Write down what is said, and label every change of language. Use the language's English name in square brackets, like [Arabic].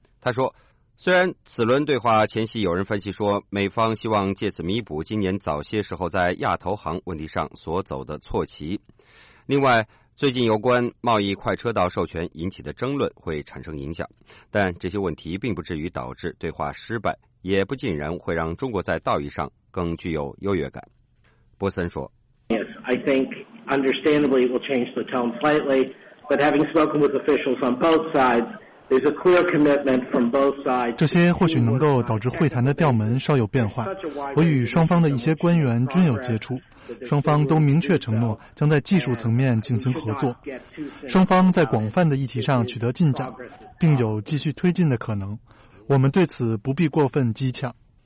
[Chinese] 他说，虽然此轮对话前夕有人分析说美方希望借此弥补今年早些时候在亚投行问题上所走的错棋，另外最近有关贸易快车道授权引起的争论会产生影响，但这些问题并不至于导致对话失败，也不尽然会让中国在道义上更具有优越感。波森说， [English] Yes, I think understandably it will change the tone slightly, but having spoken with officials on both sides, [Chinese] 这些或许能够导致会谈的调门稍有变化。我与双方的一些官员均有接触，双方都明确承诺将在技术层面进行合作，双方在广泛的议题上取得进展，并有继续推进的可能，我们对此不必过分激呛。